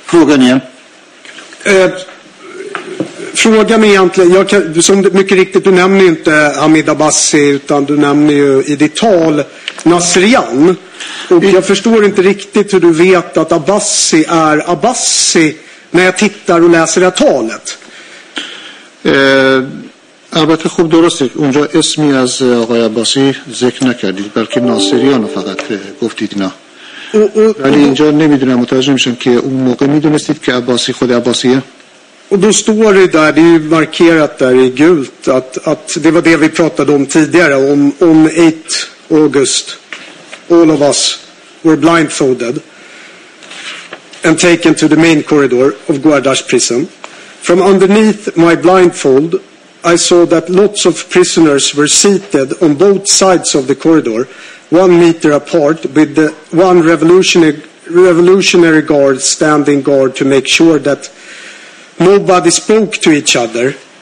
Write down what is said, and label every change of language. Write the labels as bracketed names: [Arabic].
[Swedish] Frågan egentligen, som mycket riktigt, du nämner ju inte Hamid Abbasi, utan du nämner ju i ditt tal Nasrian. Och jag förstår inte riktigt hur du vet att Abbasi är Abbasi när jag tittar och läser det här talet. [Persian] Arbetet خوب درسته. اونجا اسمی از آقای Abbasi ذکر نکردید، بلکه Nasrian فقط گفتید اینا. ولی اینجا نمیدونم، متوجه میشم که اون موقع میدونستید که Abbasi خود Abbasiه. [English] Och då står det där, det är ju markerat där i gult, att det var det vi pratade om tidigare, om 8 august, all of us were blindfolded and taken to the main corridor of Guardas prison. From underneath my blindfold, I saw that lots of prisoners were seated on both sides of the corridor, 1 meter apart, with the one revolutionary guard standing guard to make sure that nobody spoke to each other.